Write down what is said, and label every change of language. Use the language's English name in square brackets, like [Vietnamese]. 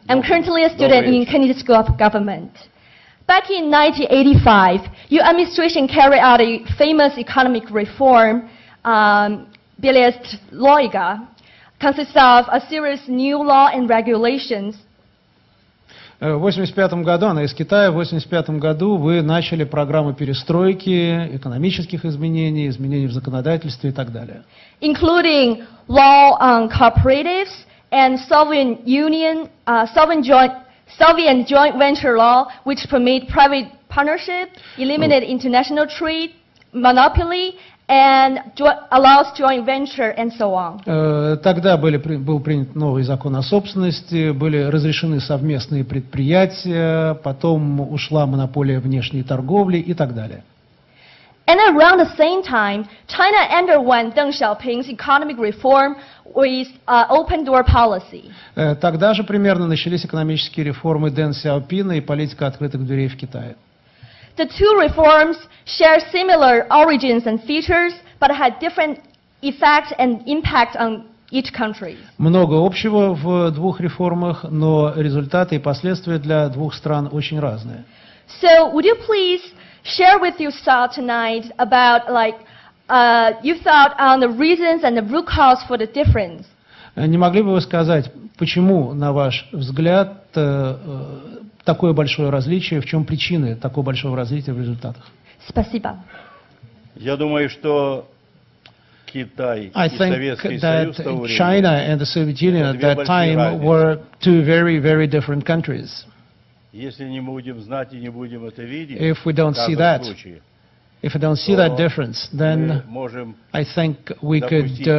[English] I'm currently a student in Kennedy School of Government. Back in 1985, your administration carried out a famous economic reform, Bilyestloyga, consists of a series of new law and regulations. [Russian] В 85 году, она из Китая, в 85 году вы начали программу перестройки, экономических изменений, изменений в законодательстве и так далее. [English] Including law on cooperatives and Soviet joint venture law, which permit private partnership, eliminate international trade monopoly, and allows joint venture, and so on. [Russian] Тогда был принят новый закон о собственности, были разрешены совместные предприятия, потом ушла монополия внешней торговли и так далее. [English] And around the same time, China underwent Deng Xiaoping's economic reform with open door policy. [Russian] Тогда же примерно начались экономические реформы Дэн Сяопина и политика открытых дверей в Китае. [English] The two reforms share similar origins and features, but had different effects and impact on each country. [Russian] Много общего в двух реформах, но результаты и последствия для двух стран очень разные. [English] So, would you please share with you tonight about like you thought on the reasons and the root cause for the difference? [Russian] Не могли бы вы сказать, почему, на ваш взгляд, такое большое различие, в чем причины такого большого различия в результатах? Спасибо. Я думаю, что Китай и Советский Союз в то время это две большие [English] were two very, very different countries. [Russian] Если не будем знать и не будем это видеть, [English] if we don't see that, if we don't see that difference, then I think we could